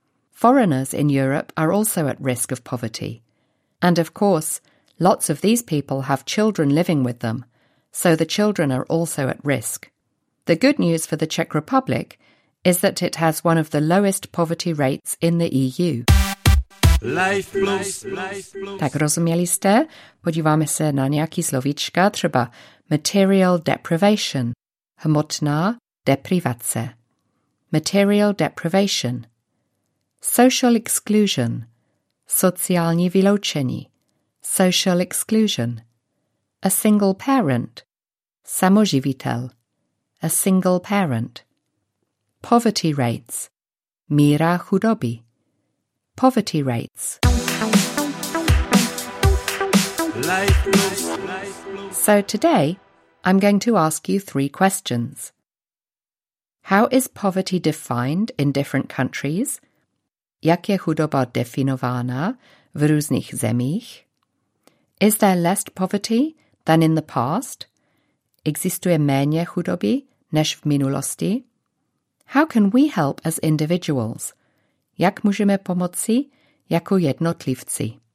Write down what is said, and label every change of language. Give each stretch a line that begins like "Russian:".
English: Foreigners in Europe are also at risk of poverty. And of course, lots of these people have children living with them, so the children are also at risk. The good news for the Czech Republic is that it has one of the lowest poverty rates in the EU. Life plus.
Czech: Tak rozuměli jste? Podíváme se na nějaký slovíčka, třeba
English: material deprivation,
Czech: hmotná deprivace.
English: Material deprivation, social exclusion,
Czech: sociální vyloučení,
English: social exclusion. A single parent, samoživitel, a single parent. Poverty rates,
Czech: míra chudoby.
English: Poverty rates. So today, I'm going to ask you three questions. How is poverty defined in different countries?
Czech: Jak je chudoba definována v různých zemích?
English: Is there less poverty than in the past?
Czech: Existuje méně chudoby než v minulosti?
English: How can we help as individuals?
Czech: Jak můžeme pomoci jako jednotlivci?